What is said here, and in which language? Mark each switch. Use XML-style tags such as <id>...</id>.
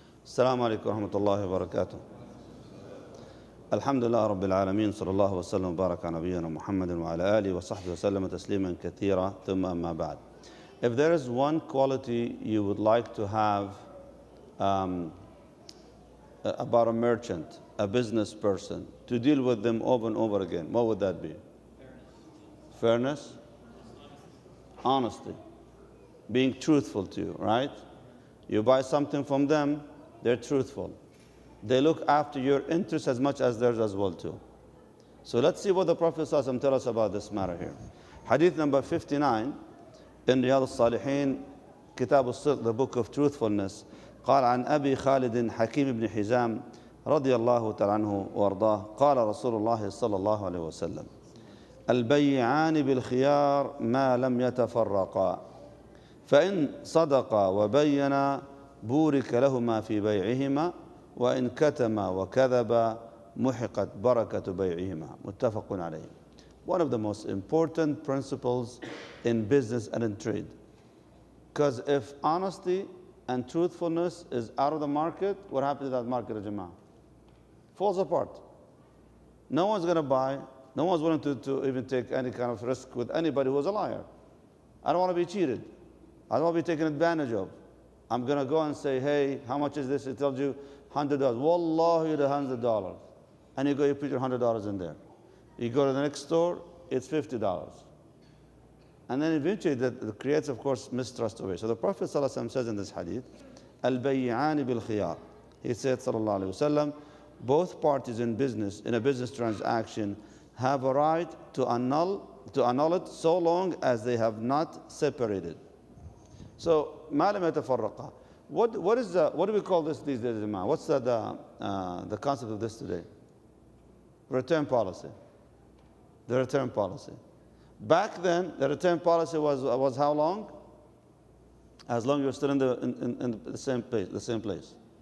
<ar>السلام عليكم ورحمة الله وبركاته. الحمد لله رب العالمين، صلى الله وسلم وبارك على نبينا محمد وعلى آله وصحبه وسلم تسليما كثيرا. ثم أما بعد،</ar> <en>if there is one quality you would like to have about a merchant, a business person, to deal with them over and over again, what would that be? Fairness. Honesty. Being truthful to you, right? You buy something from them, they're truthful. They look after your interests as much as theirs as well too. So let's see what the Prophet ﷺ tells us about this matter here. Hadith number 59 in Riyad al-Salihin, Kitab al-Siddiq, the book of truthfulness.</en> <ar>قال عن أبي خالد حكيم بن حزام رضي الله تعالى عنه وارضاه قال رسول الله صلى الله عليه وسلم البيعان بالخيار ما لم يتفرقا فإن صدقا وبينا بورك لهما في بيعهما وإن كتما وكذبا محقت بركة بيعهما. متفق عليه.</ar> <en>One of the most important principles in business and in trade. Because if honesty and truthfulness is out of the market, what happens to that market, Jama? Falls apart. No one's going to buy. No one's willing to even take any kind of risk with anybody who is a liar. I don't want to be cheated. I don't want to be taken advantage of. I'm going to go and say, hey, how much is this? It tells you $100. Wallahi, the $100. And you go, you put your $100 in there. You go to the next store, it's $50. And then eventually that creates, of course, mistrust away. So the Prophet ﷺ says in this hadith,</en> <ar>"Al-bayyani bil-khiyar."</ar> <en>He said, sallallahu alayhi wa sallam, both parties in business, in a business transaction, have a right to annul it so long as they have not separated.</en> <ar>So, ما لم يتفرقا.</ar> <en>What do we call this these days, Imam? What's the concept of this today? Return policy. The return policy. Back then, the return policy was how long? As long as you're still in the same place.</en>